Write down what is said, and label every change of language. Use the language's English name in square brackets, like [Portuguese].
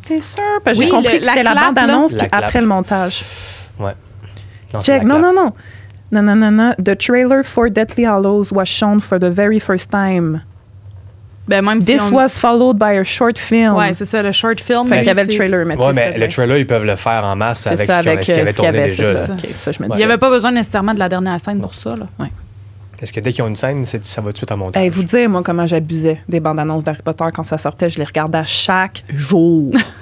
[French] t'es sûr parce que j'ai compris que c'était la bande-annonce puis après le montage. Ouais. Non. [English] The trailer for Deathly Hallows was shown for the very first time. [French] Ben même si [English] this [French] on... [English] was followed by a short film. [French] Ouais, c'est ça, le short film. Il y avait le trailer, mais ouais, mais ça, le trailer, ils peuvent le faire en masse c'est avec ça, ce qu'ils avaient tourné déjà. C'est ça. Okay, ça, je me dis. Il n'y avait pas besoin nécessairement de la dernière scène pour ça. Là. Ouais. Est-ce que dès qu'ils ont une scène, ça va tout de suite en montage? Hey, vous dire, moi, comment j'abusais des bandes-annonces d'Harry Potter quand ça sortait. Je les regardais à chaque jour.